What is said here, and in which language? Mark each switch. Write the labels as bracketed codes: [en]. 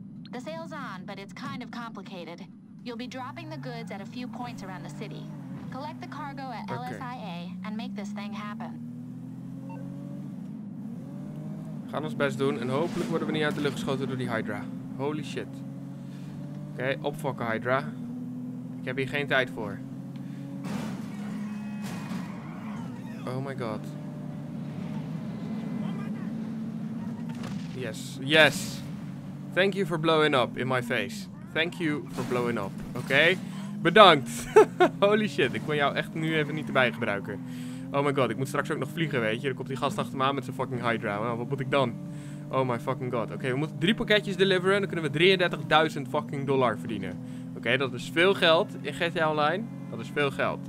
[en] The sale's on, but it's kind of complicated. You'll be dropping the goods at a few points around the city. Collect the cargo at LSIA and make this thing happen. [nl] We gaan ons best doen en hopelijk worden we niet uit de lucht geschoten door die Hydra. [en] Holy shit. [nl] Oké, opfokken Hydra. Ik heb hier geen tijd voor. [en] Oh my god. Yes, yes. Thank you for blowing up in my face. Thank you for blowing up. Oké, okay? [nl] Bedankt. [en] Holy shit, [nl] ik kon jou echt nu even niet erbij gebruiken. [en] Oh my god, [nl] ik moet straks ook nog vliegen, weet je. Dan komt die gast achter me aan met zijn fucking Hydra. Nou, wat moet ik dan? [en] Oh my fucking god. [nl] Oké, we moeten 3 pakketjes deliveren. Dan kunnen we 33.000 fucking dollar verdienen. Oké, dat is veel geld in GTA Online. Dat is veel geld.